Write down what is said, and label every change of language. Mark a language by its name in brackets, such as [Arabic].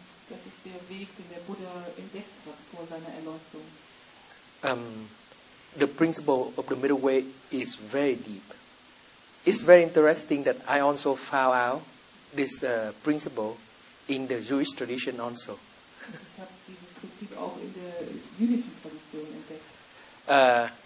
[German] Das ist der Weg, den der Buddha entdeckt hat vor seiner Erleuchtung. [English] The principle of the middle way is very deep. It's very interesting that I also found out this principle in the Jewish tradition also. [German] Ich habe dieses Prinzip auch in der jüdischen Tradition entdeckt.